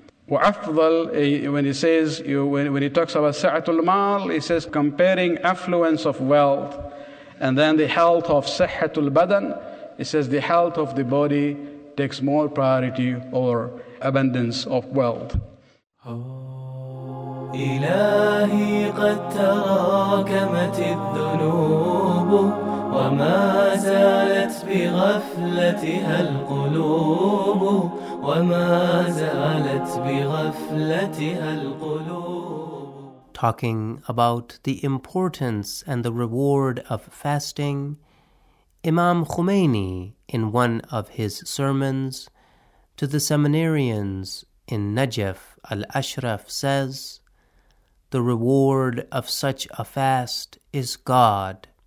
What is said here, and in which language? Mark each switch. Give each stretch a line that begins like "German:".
Arabic: وَأَفْضَلْ,
English: when he says, when he talks about سَعَةُ mal, he says comparing affluence of wealth and then the health of سَحَةُ badan, he says the health of the body takes more priority over abundance of wealth.
Arabic: إلهي قد تراكمت الذنوب وما زالت بغفلتها القلوب وما زالت بغفلتها القلوب.
English: Talking about the importance and the reward of fasting, Imam Khomeini, in one of his sermons to the seminarians in Najaf al-Ashraf, says, "The reward of such a fast is God.